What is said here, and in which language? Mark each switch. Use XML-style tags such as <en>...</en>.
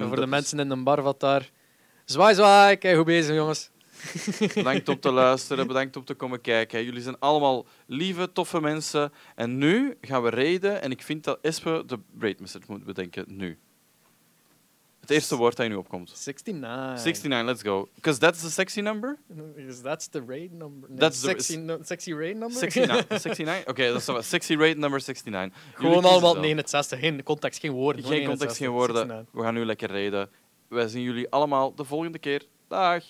<nl>En voor de mensen in de barvatar, zwaai, kijk goed bezig, jongens. Bedankt om te luisteren, bedankt om te komen kijken. Jullie zijn allemaal lieve, toffe mensen. En nu gaan we raiden. En ik vind dat Espe de raid message moet bedenken, nu. Het eerste woord dat je nu opkomt. 69,</nl> <en>let's go. Because that's the sexy number? That's the raid number. Nee, that's sexy raid number?</en> <nl>69. Oké, dat is wel.</nl> <en>Sexy raid number 69.</en> <nl>Gewoon allemaal 69. Geen context, geen woorden. Geen context, geen woorden. 69. We gaan nu lekker raiden. Wij zien jullie allemaal de volgende keer. Dag.</nl>